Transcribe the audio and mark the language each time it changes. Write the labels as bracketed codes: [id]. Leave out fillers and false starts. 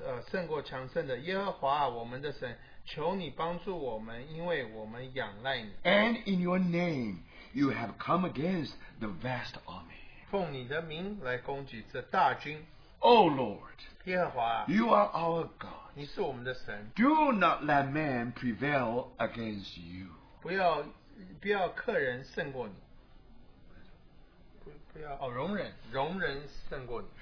[zh] 胜过强盛的耶和华啊，我们的神，求你帮助我们，因为我们仰赖你。 [en] And in your name, you have come against the vast army. [zh] 奉你的名来攻击这大军。 [en] O Lord, [zh] 耶和华啊， [en] you are our God. [zh] 你是我们的神。 [en] Do not let man prevail against you. [zh] 不要客人胜过你。不要容人胜过你。